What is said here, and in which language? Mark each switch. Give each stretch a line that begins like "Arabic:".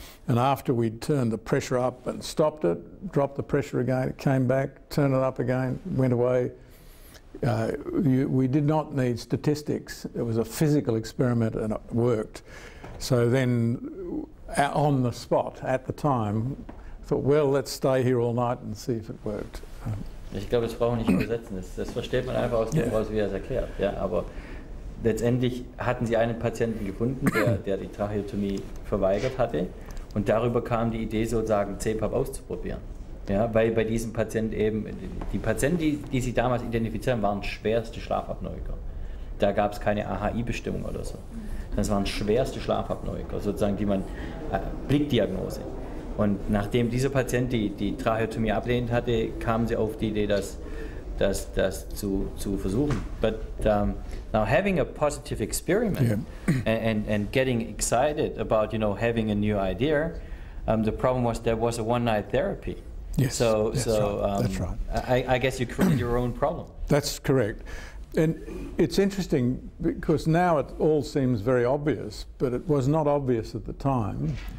English: And after we'd turned the pressure up and stopped it, dropped the pressure again, it came back, turned it up again, went away. We did not need statistics. It was a physical experiment and it worked. So then on the spot at the time, I thought, well, let's stay here all night and see if it worked.
German: Ich glaube, das brauchen nicht übersetzen. Das versteht man einfach aus dem Wort, wie er es erklärt. Ja, aber letztendlich hatten sie einen Patienten gefunden, der die Tracheotomie verweigert hatte, und darüber kam die Idee, sozusagen CPAP auszuprobieren. Ja, weil bei diesem Patienten eben, die Patienten, die sie damals identifizieren, waren schwerste Schlafapnoiker. Da gab es keine AHI-Bestimmung oder so. Das waren schwerste Schlafapnoiker, sozusagen die man, Blickdiagnose. Und nachdem dieser Patient die Tracheotomie ablehnt hatte, kamen sie auf die Idee, das zu versuchen.
English: But now having a positive experiment, yeah, and getting excited about, you know, having a new idea, the problem was there was a one-night therapy. Yes, so, yes, so, right. That's right. I guess you created your own problem. That's correct. And it's interesting because now it all seems very obvious, but it was not obvious at the time.